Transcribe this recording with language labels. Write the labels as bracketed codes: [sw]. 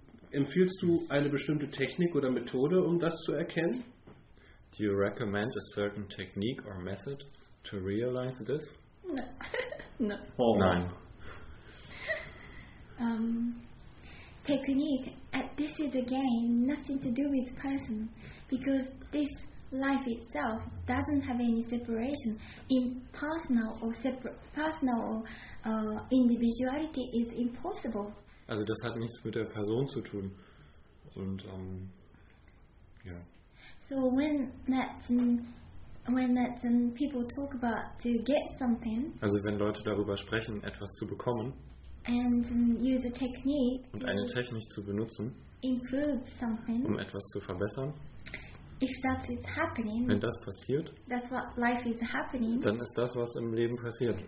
[de] Empfiehlst du eine bestimmte Technik oder Methode, um das zu erkennen? [en] Do you recommend a certain technique or method to realize this? No. [de] Oh. Nein. [en] Technique, this is again nothing to do with person, because this life itself doesn't have any separation in personal or individuality is impossible. [de] Also das hat nichts mit der Person zu tun und ja. [en] So when people talk about to get something. [de] Also wenn Leute darüber sprechen, etwas zu bekommen. [en] And use a technique [de] und eine Technik zu benutzen, [en] improve something, [de] um etwas zu verbessern. [en] If that is happening, [de] wenn das passiert, [en] that's what life is happening, [de] dann ist das, was im Leben passiert.